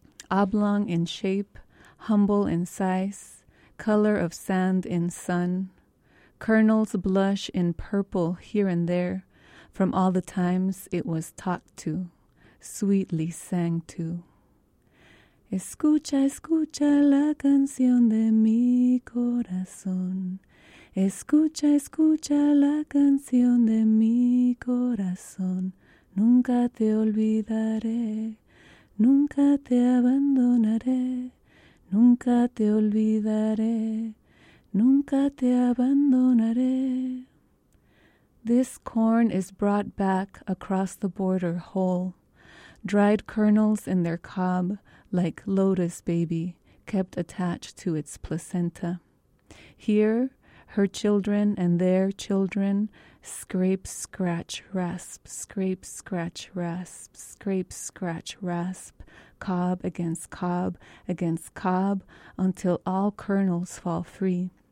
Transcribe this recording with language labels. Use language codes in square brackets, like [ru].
[en] Oblong in shape, humble in size, color of sand in sun. Kernels blush in purple here and there from all the times it was talked to, sweetly sang to. [es] Escucha, escucha la canción de mi corazón. Escucha, escucha la canción de mi corazón. Nunca te olvidaré, nunca te abandonaré, nunca te olvidaré, nunca te abandonaré. [en] This corn is brought back across the border whole, dried kernels in their cob, like lotus baby, kept attached to its placenta. Here, her children and their children scrape, scratch, rasp, scrape, scratch, rasp, scrape, scratch, rasp, cob against cob, until all kernels fall free.